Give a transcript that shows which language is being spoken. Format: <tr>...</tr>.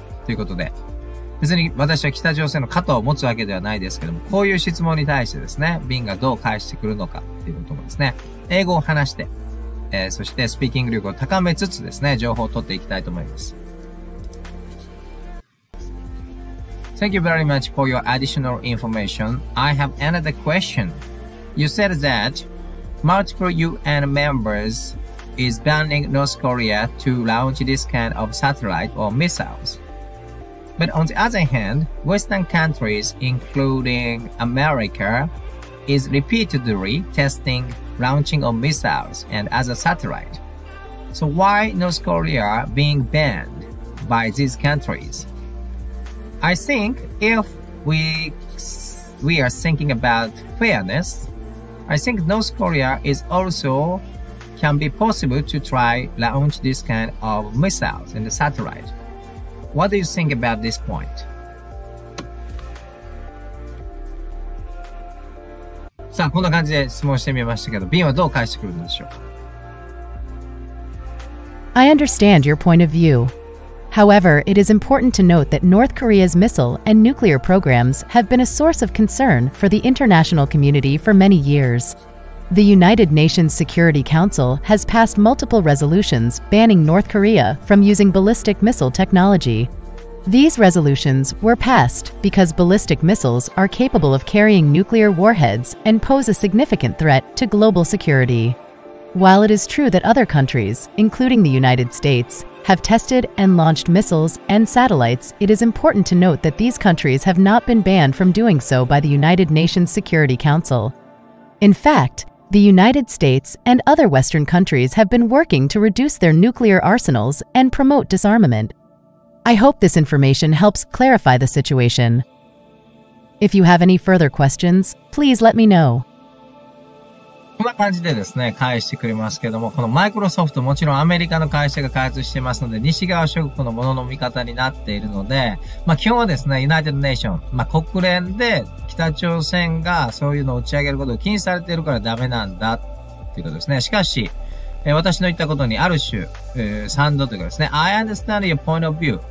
<ja>ということで、別に私は北朝鮮の肩を持つわけではないですけども、こういう質問に対してですね、Bing がどう返してくるのかということもですね、英語を話して、そしてスピーキング力を高めつつですね、情報を取っていきたいと思います。</ja> <en>Thank you very much for your additional information. I have another question. You said that Multiple UN members is banning North Korea to launch this kind of satellite or missiles. But on the other hand, Western countries, including America, is repeatedly testing launching of missiles and other satellites. So why North Korea being banned by these countries? I think if we are thinking about fairness, I think North Korea is also can be possible to try launch this kind of missiles and the satellite. What do you think about this point?</en> <ja>さあ、こんな感じで質問してみましたけど、ビンはどう返してくるんでしょう。</ja> <en>I understand your point of view. However, it is important to note that North Korea's missile and nuclear programs have been a source of concern for the international community for many years. The United Nations Security Council has passed multiple resolutions banning North Korea from using ballistic missile technology. These resolutions were passed because ballistic missiles are capable of carrying nuclear warheads and pose a significant threat to global security. While it is true that other countries, including the United States, have tested and launched missiles and satellites, it is important to note that these countries have not been banned from doing so by the United Nations Security Council. In fact, the United States and other Western countries have been working to reduce their nuclear arsenals and promote disarmament. I hope this information helps clarify the situation. If you have any further questions, please let me know.</en> <ja>こんな感じでですね、返してくれますけども、このマイクロソフト、もちろんアメリカの会社が開発してますので、西側諸国のものの味方になっているので、まあ基本はですね、ユナイテッドネーション、まあ国連で北朝鮮がそういうのを打ち上げることを禁止されているからダメなんだっていうことですね。しかし、私の言ったことにある種、賛同というかですね、</ja> <en>I understand your point of view.</en>